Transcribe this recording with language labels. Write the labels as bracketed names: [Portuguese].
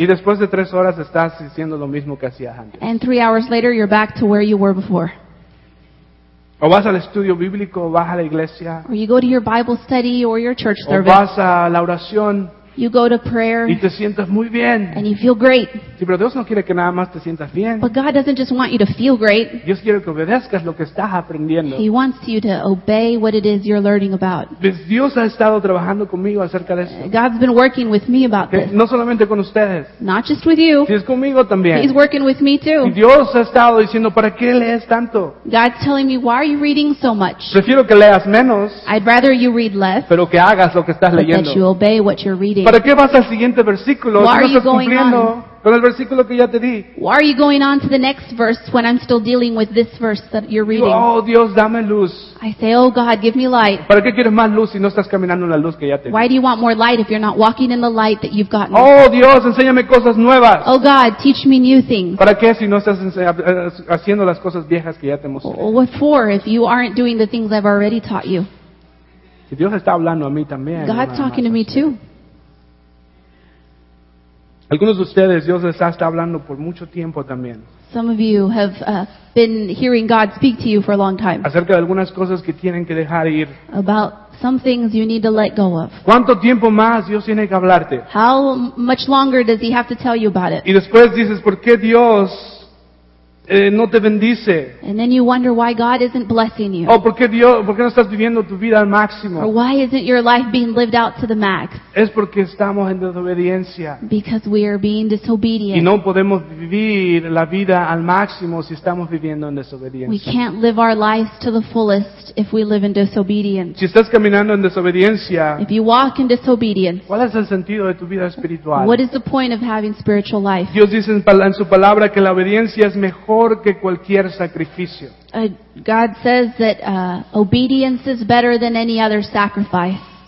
[Spanish] Y después de tres horas estás diciendo lo mismo que hacías antes. [English] And 3 hours later, you're back to where you were before. [Spanish] O vas al estudio bíblico, o vas a la iglesia. [English] Or you go to your Bible study or your church service. [Spanish] O vas a la oración. [English] You go to prayer [Spanish] y te sientas muy bien. [English] And you feel great. [Spanish] Sí, pero Dios no quiere que nada más te sientas bien. [English] But God doesn't just want you to feel great. [Spanish] Dios quiere que obedezcas lo que estás aprendiendo. [English] He wants you to obey what it is you're learning about. [Spanish] Dios ha estado trabajando conmigo acerca de esto. [English] God's been working with me about this. [Spanish] No solamente con ustedes. [English] Not just with you. [Spanish] Sí, es conmigo también. [English] He's working with me too. [Spanish] Y Dios ha estado diciendo, ¿para qué lees tanto? [English] God's telling me, why are you reading so much? [Spanish] Prefiero que leas menos. [English] I'd rather you read less. [Spanish] Pero que hagas lo que estás leyendo. [English] That you obey what you're reading. [Spanish] ¿Para qué vas al siguiente versículo? [English] Why are you [Spanish] estás cumpliendo [English] on? [Spanish] Con el versículo que ya te di. [English] Why are you going on to the next verse when I'm still dealing with this verse that you're reading? [Spanish] Oh, Dios, dame luz. [English] I say, oh God, give me light. [Spanish] ¿Para qué quieres más luz si no estás caminando en la luz que ya te di? [English] Why do you want more light if you're not walking in the light that you've gotten? [Spanish] Oh, Dios, enséñame cosas nuevas. [English] Oh God, teach me new things. [Spanish] ¿Para qué si no estás haciendo las cosas viejas que ya te mostré? [English] Well, what for if you aren't doing the things I've already taught you? [Spanish] Si Dios está hablando a mí también. [English] God's talking to me too. [Spanish] Algunos de ustedes, Dios les ha estado hablando por mucho tiempo también. [English] Some of you have been hearing God speak to you for a long time. [Spanish] Acerca de algunas cosas que tienen que dejar ir. [English] About some things you need to let go of. [Spanish] ¿Cuánto tiempo más Dios tiene que hablarte? [English] How much longer does he have to tell you about it? [Spanish] Y después dices, ¿por qué Dios no te bendice? [English] And then you wonder why God isn't blessing you. [Spanish] Oh, ¿por qué Dios, por qué no estás viviendo tu vida al máximo? [English] Or why isn't your life being lived out to the max? [Spanish] Es porque estamos en desobediencia. [English] Because we are being disobedient. [Spanish] Y no podemos vivir la vida al máximo si estamos viviendo en desobediencia. [English] We can't live our lives to the fullest if we live in disobedience. [Spanish] Si estás caminando en desobediencia, [English] if you walk in disobedience, [Spanish] ¿cuál es el sentido de tu vida espiritual? [English] What is the point of having spiritual life? [Spanish] Dios dice en su palabra que la obediencia es mejor. Mejor que cualquier sacrificio. [English] God says that obedience is better than any other sacrifice.